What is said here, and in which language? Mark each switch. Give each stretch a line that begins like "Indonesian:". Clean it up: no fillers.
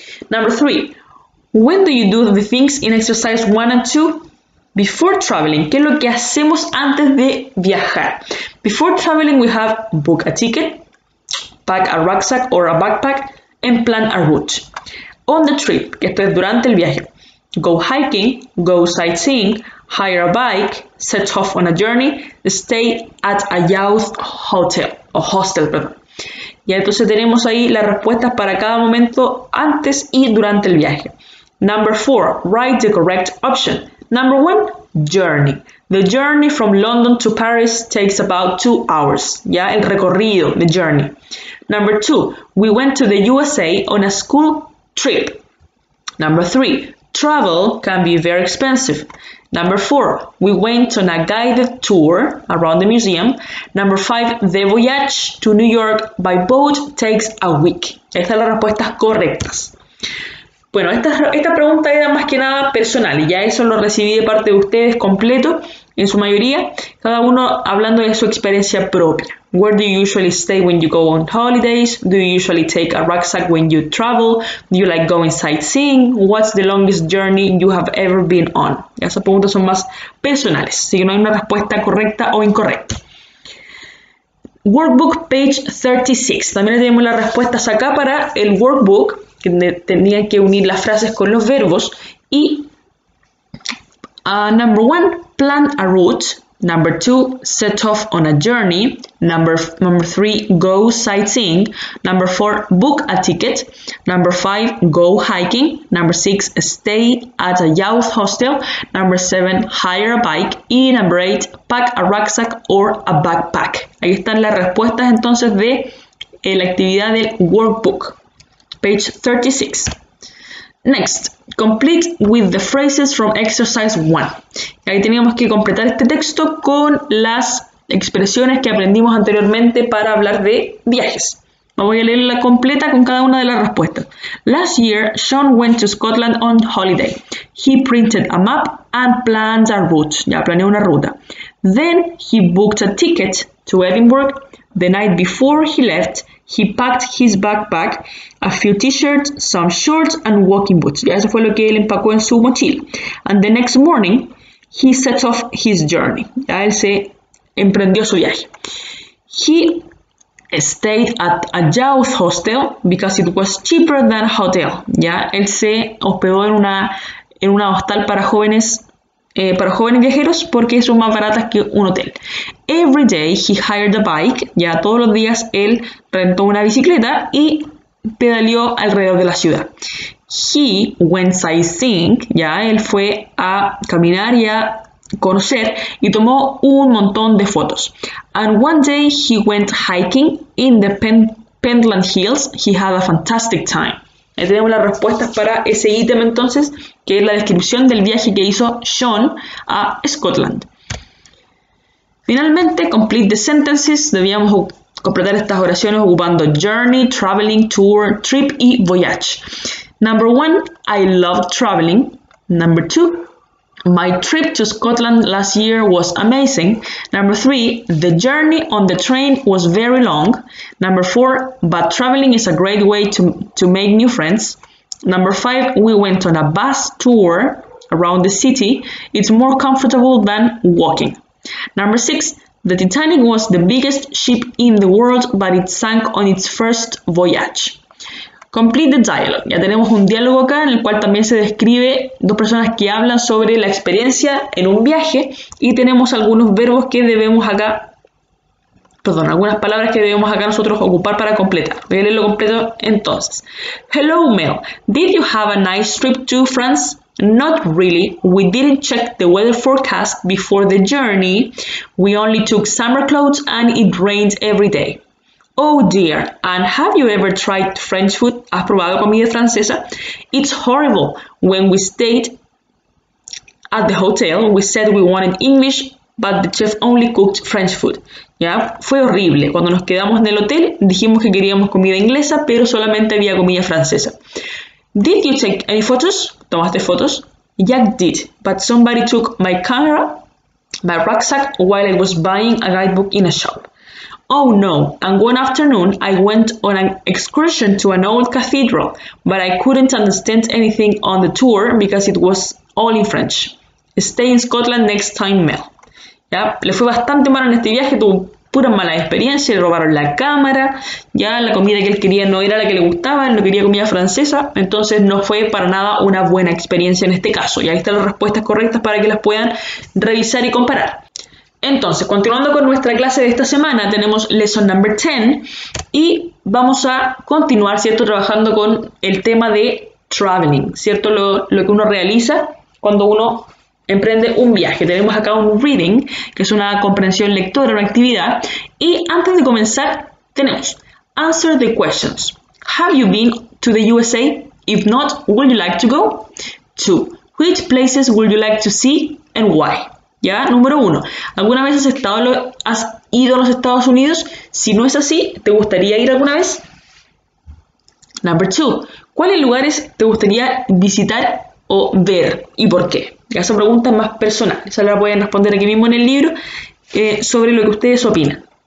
English: Number 3, when do you do the things in exercise 1 and 2? Before traveling,
Spanish: ¿qué es lo que hacemos antes de viajar?
English: Before traveling, we have book a ticket, pack a rucksack or a backpack, and plan a route. On the trip,
Spanish: que esto es durante el viaje,
English: go hiking, go sightseeing, hire a bike, set off on a journey, stay at a youth hotel, o hostel,
Spanish: perdón. Y entonces tenemos ahí las respuestas para cada momento antes y durante el viaje.
English: Number 4, write the correct option. Number 1, journey. The journey from London to Paris takes about 2 hours.
Spanish: Ya, el recorrido,
English: the journey. Number 2, we went to the USA on a school trip. Number 3, travel can be very expensive. Number 4, we went on a guided tour around the museum. Number 5, the voyage to New York by boat takes a week.
Spanish: Estas son las respuestas correctas. Bueno, esta pregunta era más que nada personal y ya eso lo recibí de parte de ustedes completo, en su mayoría, cada uno hablando de su experiencia propia.
English: Where do you usually stay when you go on holidays? Do you usually take a rucksack when you travel? Do you like going sightseeing? What's the longest journey you have ever been on?
Spanish: Y esas preguntas son más personales, así que no hay una respuesta correcta o incorrecta.
English: Workbook page 36.
Spanish: También tenemos las respuestas acá para el workbook, que tenían que unir las frases con los verbos.
English: Y number 1, plan a route. Number 2, set off on a journey. Number 3, go sightseeing. Number 4, book a ticket. Number 5, go hiking. Number 6, stay at a youth hostel. Number 7, hire a bike. Y number 8, pack a rucksack or a backpack.
Spanish: Ahí están las respuestas entonces de la actividad del workbook.
English: Page 36. Next, complete with the phrases from exercise 1.
Spanish: Ahí teníamos que completar este texto con las expresiones que aprendimos anteriormente para hablar de viajes. Voy a leerla completa con cada una de las respuestas.
English: Last year, Sean went to Scotland on holiday. He printed a map and planned a route.
Spanish: Ya planeó una ruta.
English: Then he booked a ticket to Edinburgh. The night before he left, he packed his backpack, a few t-shirts, some shorts and walking boots.
Spanish: Ya eso fue lo que él empacó en su mochila.
English: And the next morning, he set off his journey.
Spanish: Ya él se emprendió su viaje.
English: He stayed at a Youth Hostel because it was cheaper than a hotel.
Spanish: Ya él se hospedó en una hostal para jóvenes viajeros porque son más baratas que un hotel.
English: Every day he hired a bike.
Spanish: Ya todos los días él rentó una bicicleta y pedaleó alrededor de la ciudad.
English: He went sightseeing.
Spanish: Ya él fue a caminar y a conocer y tomó un montón de fotos.
English: And one day he went hiking in the Pentland Hills. He had a fantastic time.
Spanish: Ahí tenemos las respuestas para ese ítem entonces, que es la descripción del viaje que hizo Sean a Scotland. Finalmente,
English: complete the sentences.
Spanish: Debíamos completar estas oraciones ocupando journey, traveling, tour, trip y voyage.
English: Number one, I love traveling. Number two, my trip to Scotland last year was amazing. Number three, the journey on the train was very long. Number four, but traveling is a great way to make new friends. Number five, we went on a bus tour around the city. It's more comfortable than walking. Number six, the Titanic was the biggest ship in the world, but it sank on its first voyage. Complete the dialogue.
Spanish: Ya tenemos un diálogo acá en el cual también se describe dos personas que hablan sobre la experiencia en un viaje y tenemos algunos verbos que debemos acá, perdón, algunas palabras que debemos acá nosotros ocupar para completar. Voy a leerlo completo entonces.
English: Hello Mel, did you have a nice trip to France? Not really. We didn't check the weather forecast before the journey. We only took summer clothes and it rained every day. Oh dear, and have you ever tried French food?
Spanish: ¿Has probado comida francesa?
English: It's horrible. When we stayed at the hotel, we said we wanted English, but the chef only cooked French food.
Spanish: ¿Ya? Fue horrible. Cuando nos quedamos en el hotel, dijimos que queríamos comida inglesa, pero solamente había comida francesa.
English: Did you take any photos?
Spanish: ¿Tomaste fotos?
English: Yeah, did, but somebody took my camera, my rucksack, while I was buying a guidebook in a shop. Oh no, and one afternoon I went on an excursion to an old cathedral, but I couldn't understand anything on the tour because it was all in French. Stay in Scotland next time, Mel.
Spanish: Ya, le fue bastante mal en este viaje, tuvo pura mala experiencia, le robaron la cámara, ya la comida que él quería no era la que le gustaba, él no quería comida francesa, entonces no fue para nada una buena experiencia en este caso. Y ahí están las respuestas correctas para que las puedan revisar y comparar. Entonces, continuando con nuestra clase de esta semana, tenemos
English: lesson number 10
Spanish: y vamos a continuar, ¿cierto?, trabajando con el tema de traveling, ¿cierto?, lo que uno realiza cuando uno emprende un viaje. Tenemos acá un reading, que es una comprensión lectora, una actividad, y antes de comenzar tenemos
English: answer the questions. Have you been to the USA? If not, would you like to go? 2. Which places would you like to see and why?
Spanish: ¿Ya? Número 1. ¿Alguna vez has ido a los Estados Unidos? Si no es así, ¿te gustaría ir alguna vez? Number 2. ¿Cuáles lugares te gustaría visitar o ver y por qué? Ya esa pregunta es más personal. Esa la pueden responder aquí mismo en el libro sobre lo que ustedes opinan.